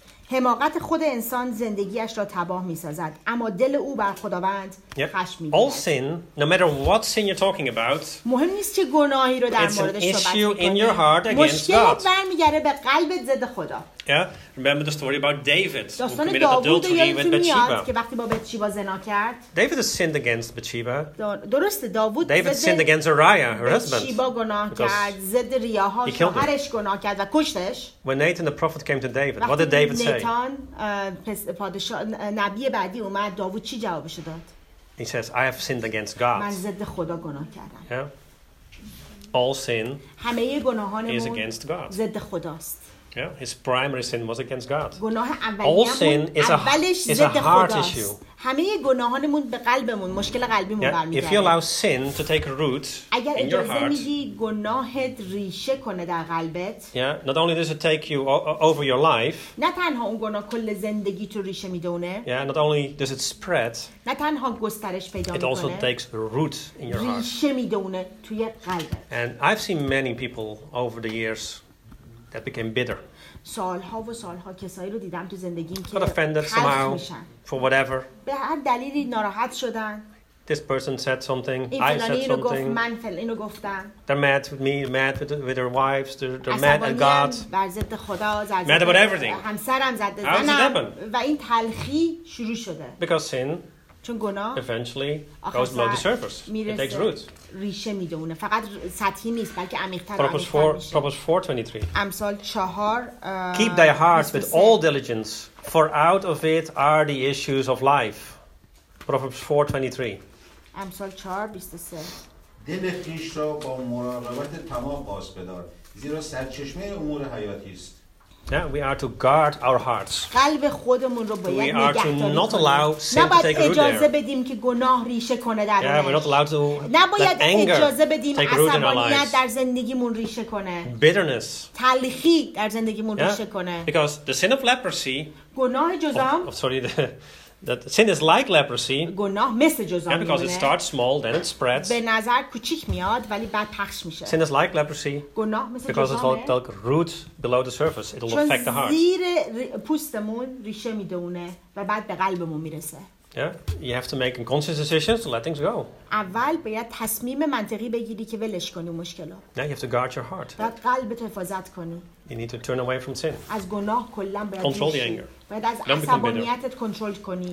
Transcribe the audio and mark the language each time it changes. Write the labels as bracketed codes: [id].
[fa] حماقت خود انسان زندگیش را تباه می‌سازد، اما دل او بر خداوند خشم می‌گیرد. [en] All sin, no matter what sin you're talking about, [fa] مهم نیست چه گناهی رو در موردش صحبت می‌کنی. [en] It's an issue in your heart against God. [fa] مشکل برمی‌گرده به قلبت ضد خدا. [en] Yeah, remember the story about David. [fa] داستان داوود یادت میاد که وقتی با بتشیبا زنا کرد. [en] David has sinned against Bathsheba. [fa] درسته داوود. [en] David sinned against Uriah, her husband. [fa] بتشیبا گناه کرد، ضد ریاها شوهرش گناه کرد و کشتش. [en] When Nathan the prophet came to David, what did David say? [fa] نیتان پادشاه نبی بعدی اومد، داوود چی جوابش داد؟ [en] He says, I have sinned against God. [fa] من ضد خدا گناه کردم. [en] Yeah. All sin [fa] همه گناهانمون [en] is against God. [fa] ضد خداست. [en] Yeah, his primary sin was against God. [fa] گناه [en] All sin is a heart issue. [fa] همه گناهانمون به قلبمون، مشکل قلبیمون برمی‌گرده. [en] Yeah, if you allow sin to take root in your heart, [fa] اگر اجازه می‌دی گناهت ریشه کنه در قلبت. [en] Yeah, not only does it take you over your life. [fa] نه تنها اون گناه کل زندگی تو ریشه می‌دونه. [en] Yeah, not only does it spread. [fa] نه تنها گسترش پیدا می‌کنه. [en] It also takes root in your heart. [fa] ریشه می‌دونه توی قلبت. [en] And I've seen many people over the years that became bitter. [fa] سالها و سالها کسایی رو دیدم تو زندگیم که [en] got offended somehow for whatever. [fa] به هر دلیلی ناراحت شدن. [en] This person said something. I said something. [fa] من اینو گفتم. [en] They're mad with me, mad with their wives, they're mad at God. [fa] ضد خدا، ضد [en] mad about everything. [fa] همسرم ضد زنم. و این تلخی شروع شده. [en] Because sin. [fa] چون گناه. [en] Eventually goes below the surface. It takes root. [fa] ریشه میدونه فقط سطحی نیست بلکه عمیق‌تر. [en] Proverbs 4:23. [fa] امثال 4 [en] Keep thy heart with all diligence, for out of it are the issues of life. Proverbs 4:23. [fa] امثال 4:23. دل خویش را با مراقبت تمام باز بدار، زیرا سرچشمه امور حیاتی است. [en] Yeah, we are to guard our hearts. [fa] قلب خودمون رو باید نگهداری. [en] We are to not allow sin to take root. [fa] اجازه بدیم که گناه ریشه کنه در [en] ما. We're not allowed to. [fa] نباید اجازه بدیم عصبانیت در زندگیمون ریشه کنه. [en] Bitterness. [fa] تلخی در زندگیمون ریشه کنه. [en] Because the sin of leprosy. [fa] گناه جذام. [en] Sorry, that sin is like leprosy. [fa] گناه مثل جذام. [en] Yeah, because it starts small, then it spreads. [fa] به نظر کوچیک میاد ولی بعد پخش میشه. [en] Sin is like leprosy. [fa] گناه مثل جذام. [en] Because it'll root below the surface. It'll affect the heart. [fa] چون زیر پوستمون ریشه میدونه و بعد به قلبمون میرسه. [en] Yeah, you have to make a conscious decision to let things go. [fa] اول باید تصمیم منطقی بگیری که ولش کنی مشکلو. [en] Yeah, you have to guard your heart. [fa] باید قلبت رو حفاظت کنی. [en] You need to turn away from sin. [fa] از گناه کلاً باید [en] control the anger. [fa] باید از عصبانیتت کنترل کنی.